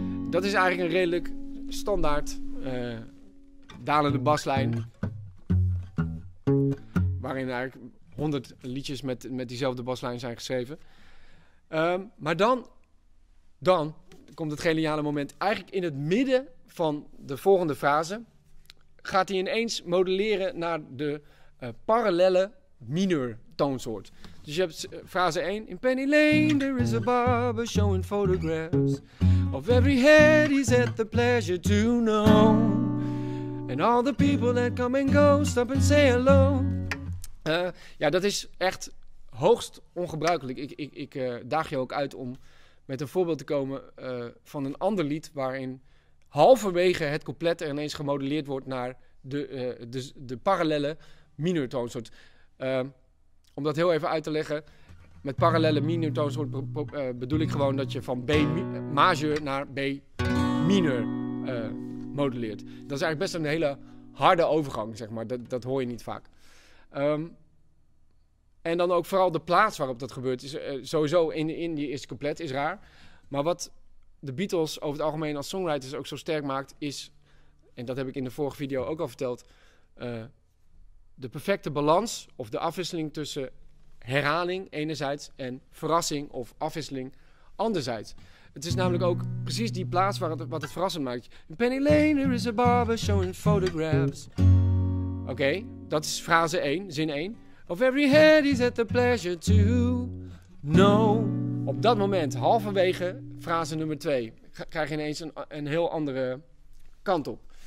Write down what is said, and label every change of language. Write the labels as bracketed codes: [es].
[nl] Dat is eigenlijk een redelijk standaard dalende baslijn, waarin eigenlijk 100 liedjes met diezelfde baslijn zijn geschreven. Maar dan komt het geniale moment. Eigenlijk in het midden van de volgende frase gaat hij ineens modelleren naar de parallele minor toonsoort. Dus je hebt frase 1. [en] In Penny Lane there is a barber showing photographs of every head he's had the pleasure to know. And all the people that come and go, stop and say hello. [nl] Dat is echt hoogst ongebruikelijk. Ik daag je ook uit om met een voorbeeld te komen van een ander lied waarin halverwege het couplet er ineens gemodelleerd wordt naar de parallele minortoonsoort. Om dat heel even uit te leggen, met parallele minortoonsoort bedoel ik gewoon dat je van B majeur naar B minor modelleert. Dat is eigenlijk best een hele harde overgang, zeg maar. Dat hoor je niet vaak. En dan ook vooral de plaats waarop dat gebeurt. Sowieso in die eerste couplet is raar. Maar wat de Beatles over het algemeen als songwriters ook zo sterk maakt is, en dat heb ik in de vorige video ook al verteld, de perfecte balans of de afwisseling tussen herhaling enerzijds en verrassing of afwisseling anderzijds. Het is namelijk ook precies die plaats waar wat het verrassend maakt. [en] In Penny Lane, there is a barber showing photographs. [nl] Oké, dat is frase 1, zin 1. [en] Of every head is at the pleasure to know. [nl] Op dat moment, halverwege frase nummer 2, krijg je ineens een heel andere kant op.